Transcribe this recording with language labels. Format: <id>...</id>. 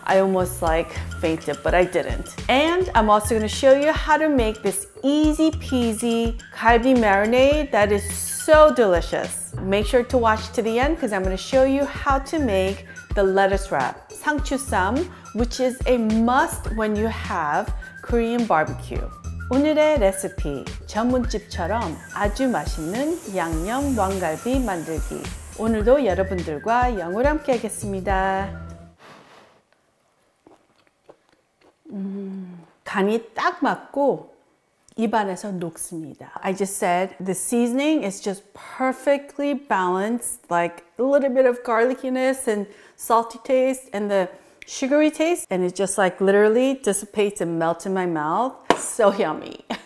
<en>I almost like fainted, but I didn't. And I'm also gonna show you how to make this easy peasy galbi marinade that is so delicious. Make sure to watch to the end because I'm gonna show you how to make the lettuce wrap, sangchusam, which is a must when you have Korean barbecue.</en> <ko>오늘의 레시피, 전문집처럼 아주 맛있는 양념 왕갈비 만들기. 오늘도 여러분들과 영어로 함께 하겠습니다. 간이 딱 맞고 입안에서 녹습니다.</ko> <en>I just said the seasoning is just perfectly balanced, like a little bit of garlickiness and salty taste and the sugary taste, and it just like literally dissipates and melts in my mouth. So yummy.</en>